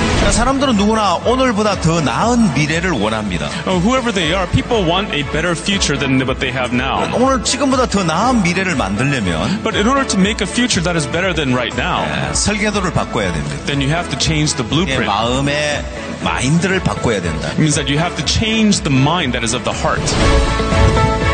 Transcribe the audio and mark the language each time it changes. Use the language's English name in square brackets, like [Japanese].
[Korean] 사람들은 누구나 오늘보다 더 나은 미래를 원합니다. [English] Whoever they are, people want a better future than what they have now. [Korean] 오늘 지금보다 더 나은 미래를 만들려면 [English] But in order to make a future that is better than right now, [Korean] 설계도를 바꿔야 됩니다. [English] Then you have to change the blueprint. [Korean] 마음의 마인드를 바꿔야 된다. [English] It means that you have to change the mind that is of the heart.